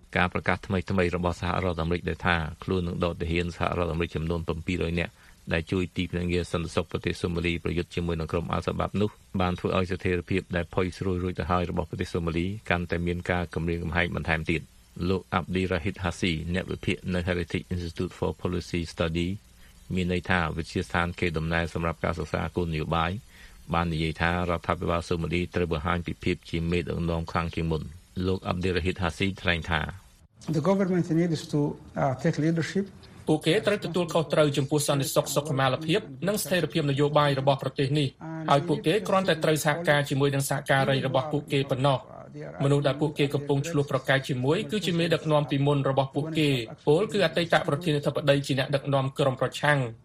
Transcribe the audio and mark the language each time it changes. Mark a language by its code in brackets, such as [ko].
[km] ការប្រកាសថ្មីៗរបស់សហរដ្ឋអាមេរិកដែលថាខ្លួននឹងដកទាហានសហរដ្ឋអាមេរិកចំនួន700នាក់ដែលជួយទីភ្នាក់ងារសន្តិសុខប្រទេសសូម៉ាលីប្រយុទ្ធជាមួយនឹងក្រុមអាសបាប់នោះបានធ្វើឲ្យស្ថិរភាពដែលផុយស្រួយរួចទៅហើយរបស់ប្រទេសសូម៉ាលីកាន់តែមានការគំរាមកំហែងបន្ថែមទៀតលោកអាប់ឌីរ៉ាហ៊ីតហាស៊ីអ្នកវិភាគនៅ Heritage Institute for Policy Study មានន័យថាវិទ្យាស្ថានគេដំណើរសម្រាប់ការសិក្សាគោលនយោបាយបាននិយាយថារដ្ឋាភិបាលសូម៉ាលីត្រូវបង្ហាញពីភាពជាមេដឹកនាំខ្លាំងជាងមុនលោកអាប់ឌីរ៉ាហ៊ីតហាស៊ីថ្លែងថា [en] The government needs to take leadership [km] ពួកគេត្រូវទទួលខុសត្រូវចំពោះសន្តិសុខសុខុមាលភាពនិងស្ថិរភាពនយោបាយរបស់ប្រទេសនេះហើយពួកគេគ្រាន់តែត្រូវសហការជាមួយនឹងសហការីរបស់ពួកគេប៉ុណ្ណោះមនុស្សដែលពួកគេកំពុងឆ្លោះប្រកែកជាមួយគឺជាមេដឹកនាំពីមុនរបស់ពួកគេពលគឺអតីតប្រធានាធិបតីជាអ្នកដឹកនាំក្រុមប្រឆាំង